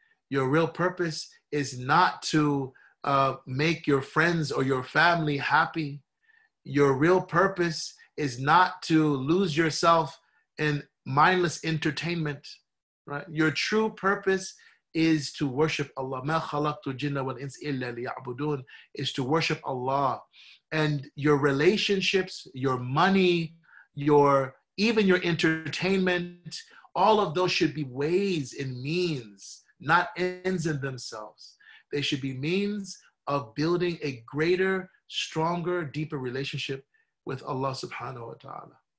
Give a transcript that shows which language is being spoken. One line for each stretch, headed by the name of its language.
English: Your real purpose is not to make your friends or your family happy. Your real purpose is not to lose yourself in mindless entertainment, right? Your true purpose is to worship Allah.
Arabic: مَا خَلَقْتُ جِنَّ وَالْإِنْسِ إِلَّا لِيَعْبُدُونَ
English: is to worship Allah. And your relationships, your money, even your entertainment, all of those should be ways and means, not ends in themselves. They should be means of building a greater, stronger, deeper relationship with Allah subhanahu wa ta'ala.